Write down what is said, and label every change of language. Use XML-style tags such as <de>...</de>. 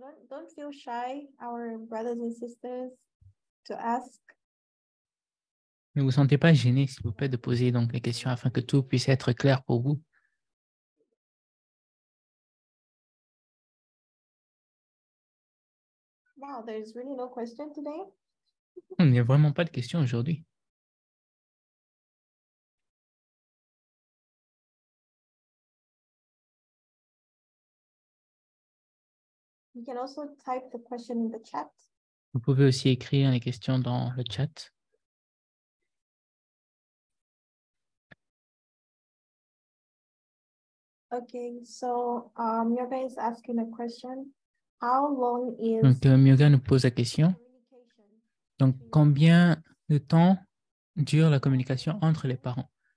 <en>Don't feel shy, our brothers and sisters, to ask.</en> <fr>Ne vous sentez pas gêné, s'il vous plaît, de poser donc les questions afin que tout puisse être clair pour vous.</fr> <en>Wow, there's really no question today.</en> <fr>Il n'y a vraiment pas de questions aujourd'hui.</fr> <en>You can also type the question in the chat.</en> <fr>Vous pouvez aussi écrire les questions dans le chat.</fr> <en>Okay, so Myoga is asking a question. How long is...</en> <fr>Donc, Myoga nous pose la question. Donc, combien de temps dure la communication entre les parents?</fr>